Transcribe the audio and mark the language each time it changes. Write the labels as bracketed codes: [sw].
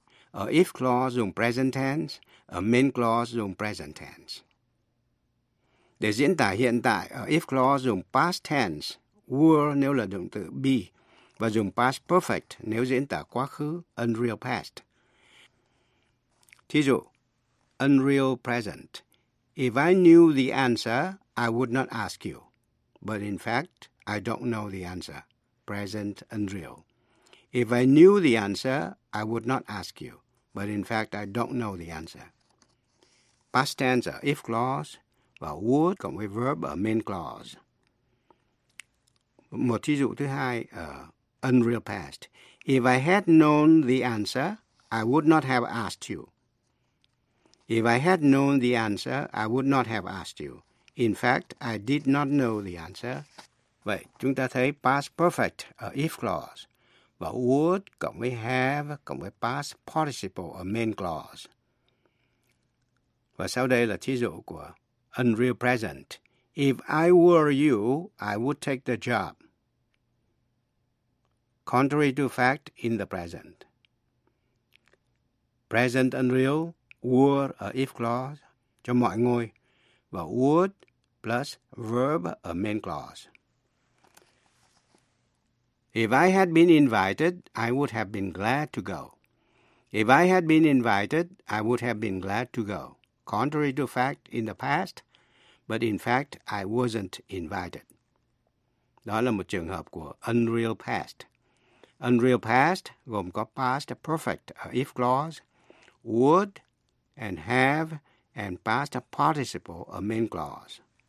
[vi] A if clause dùng present tense, a main clause dùng present tense. Để diễn tả hiện tại, a if clause dùng past tense, were nếu là động từ be, và dùng past perfect nếu diễn tả quá khứ, unreal past. Thí dụ, unreal present. [en] If I knew the answer, I would not ask you. But in fact, I don't know the answer. Present unreal. If I knew the answer, I would not ask you. But in fact, I don't know the answer. [vi] Past tense are if clause và would cộng với verb ở main clause. Một thí dụ thứ hai, unreal past. [en] If I had known the answer, I would not have asked you. If I had known the answer, I would not have asked you. In fact, I did not know the answer. [vi] Vậy, chúng ta thấy past perfect ở if clause và would cộng với have cộng với past participle ở main clause. Và sau đây là thí dụ của unreal present. [en] If I were you, I would take the job. Contrary to fact in the present. [vi] Present unreal, were a if clause cho mọi người và would plus verb a main clause. [en] If I had been invited, I would have been glad to go. If I had been invited, I would have been glad to go. Contrary to fact in the past, but in fact, I wasn't invited. [vi] Đó là một trường hợp của unreal past. Unreal past gồm có past perfect, a if clause, would and have, and past participle, a main clause.